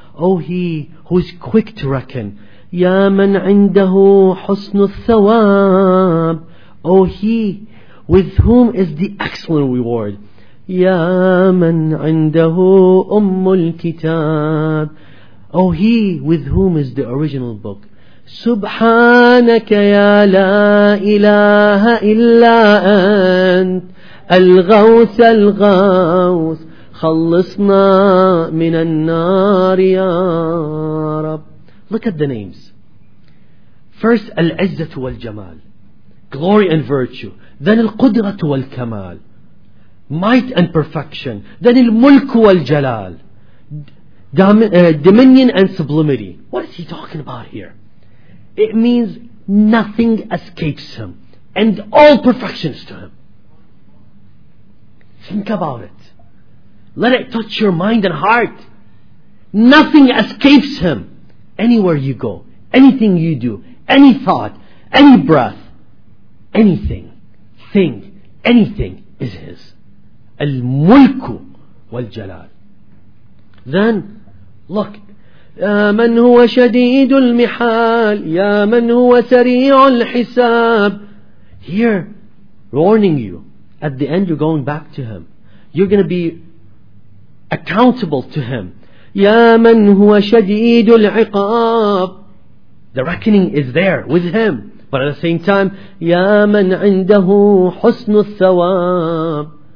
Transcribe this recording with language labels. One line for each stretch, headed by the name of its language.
English: O He who is quick to reckon.
Arabic: Ya man indahu husnul thawab.
English: O He with whom is the excellent reward.
Arabic: Ya man indahu ummul kitab.
English: O He with whom is the original book.
Arabic: سبحانك يا لا إله إلا أنت الغوث الغوث خلصنا من النار يا رب.
English: Look at the names. First, العزة والجمال, glory and virtue. Then القدرة والكمال, might and perfection. Then الملك والجلال, dominion and sublimity. What is he talking about here? It means nothing escapes him and all perfection is to him. Think about it. Let it touch your mind and heart. Nothing escapes him. Anywhere you go, anything you do, any thought, any breath, anything, thing, anything is his.
Arabic: Al-mulku wal-jalal.
English: Then, look,
Arabic: يا من هو شديد المحال يا من هو سريع الحساب.
English: Here, warning you, at the end you're going back to him. You're going to be accountable to him.
Arabic: يا من هو شديد العقاب.
English: The reckoning is there with him. But at the same time,
Arabic: يا من عنده حسن الثواب.